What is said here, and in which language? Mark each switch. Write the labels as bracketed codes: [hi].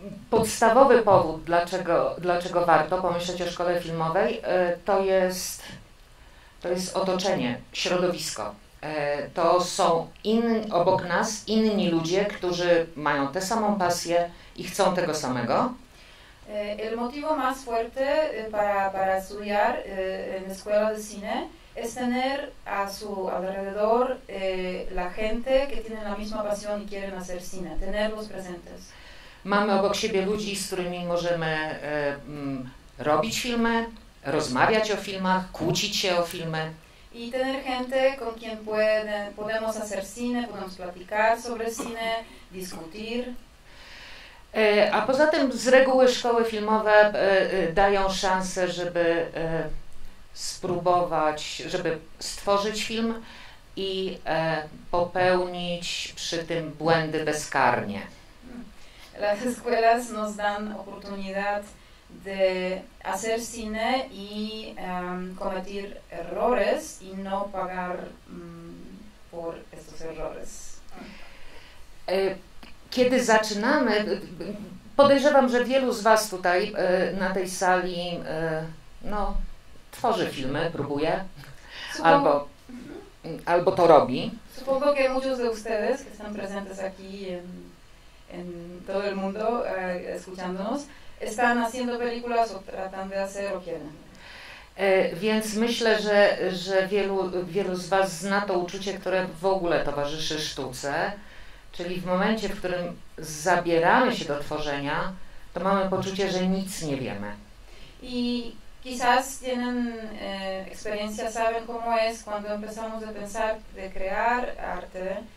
[pl] Podstawowy powód, dlaczego warto pomyśleć o szkole filmowej, to jest otoczenie, środowisko. To są obok nas inni ludzie, którzy mają tę samą pasję i chcą tego samego. [es] El motivo más fuerte para estudiar en la escuela de cine es tener a su alrededor la gente que tiene la misma pasión y quieren hacer cine, tenerlos presentes. [pl] Mamy obok siebie ludzi, z którymi możemy robić filmy, rozmawiać o filmach, kłócić się o filmy. [es] Y tener gente con quien podemos hacer cine, podemos platicar sobre cine, discutir. [pl] A poza tym z reguły szkoły filmowe dają szansę, żeby spróbować, żeby stworzyć film i popełnić przy tym błędy bezkarnie. [es] Las escuelas nos dan oportunidad de hacer cine y cometer errores y no pagar por estos errores. [pl] Kiedy zaczynamy, podejrzewam, że wielu z was tutaj na tej sali no, tworzy filmy, próbuje, albo to robi. [es] Supongo que muchos de ustedes que están presentes aquí en todo el mundo escuchándonos están haciendo películas o tratan de hacer o quieren. [pl] Więc myślę, że wielu z was zna to uczucie, które w ogóle towarzyszy sztuce. Czyli w momencie, w którym zabieramy się do tworzenia, to mamy poczucie, że nic nie wiemy. [es] I quizás tienen experiencia, saben cómo es cuando empezamos a pensar de crear arte.